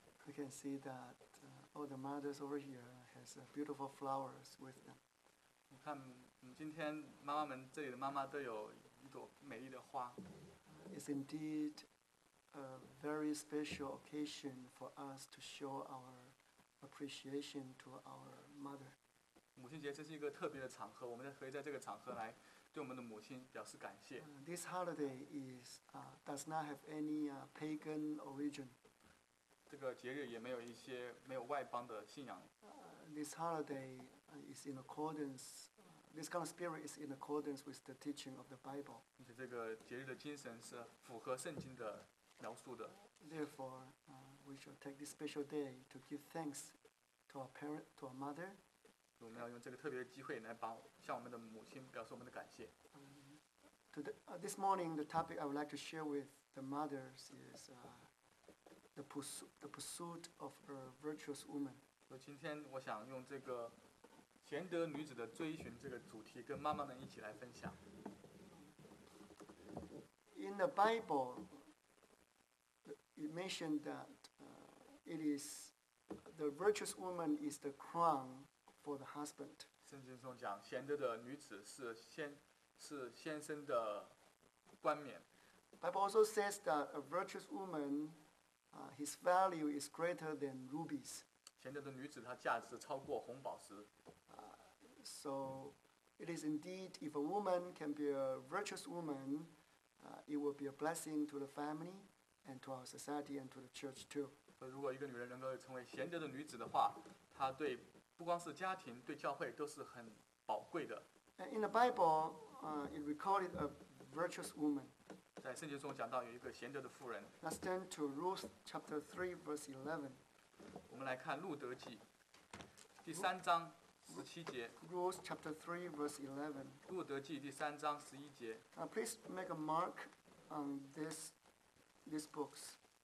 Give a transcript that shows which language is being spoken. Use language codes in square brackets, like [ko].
[en] We can see that all the mothers over here has beautiful flowers with them. [zh] 你看，今天妈妈们这里的妈妈都有一朵美丽的花。 [en] It's indeed a very special occasion for us to show our appreciation to our mother. [zh] 母亲节这是一个特别的场合，我们可以在这个场合来对我们的母亲表示感谢。 [en] This holiday is does not have any pagan origin. [zh] 这个节日也没有一些没有外邦的信仰。 [en] This holiday is in accordance. This kind of spirit is in accordance with the teaching of the Bible. [zh] 而且这个节日的精神是符合圣经的描述的。 [en] Therefore, we shall take this special day to give thanks to our parent, to our mother. [zh] 我们要用这个特别的机会来帮向我们的母亲表示我们的感谢。 [en] This morning, the topic I would like to share with the mothers is the pursuit of a virtuous woman. [zh] 今天我想用这个贤德女子的追寻这个主题跟妈妈们一起来分享。 [en] In the Bible, it mentioned that it is the virtuous woman is the crown. For the husband. [zh] 圣经中讲，贤德的女子是先生的冠冕。 [en] Bible also says that a virtuous woman, his value is greater than rubies. [zh] 贤德的女子，她价值超过红宝石。 [en] So it is indeed, if a woman can be a virtuous woman, it will be a blessing to the family, and to our society, and to the church too. [zh] 如果一个女人能够成为贤德的女子的话，她对不光是家庭，对教会都是很宝贵的。 [en] In the Bible, it recorded a virtuous woman. [zh] 在圣经中讲到有一个贤德的妇人。 [en] Let's turn to Ruth chapter 3, verse 11. [zh] 我们来看路德记第三章十七节。 [en] Ruth chapter 3, verse 11. [zh] 路德记第三章十一节。 [en] Please make a mark on this books.